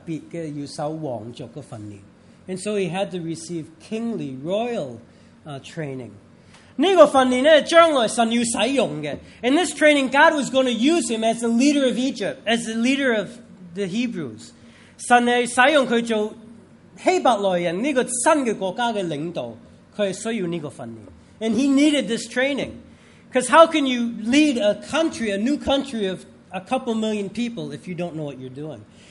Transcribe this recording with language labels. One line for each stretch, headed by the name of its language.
Chinese: 所以他特别的要受皇族的训练。
English: And so he had to receive kingly, royal training.
Chinese: 这个训练将来神要使用的。
English: In this training, God was going to use him as the leader of Egypt, as the leader of the Hebrews.
Chinese: 神要使用他做希伯来人这个新的国家的领导，他需要这个训练。
English: And he needed this training. Because how can you lead a country, a new country of a couple million people if you don't know what you're doing?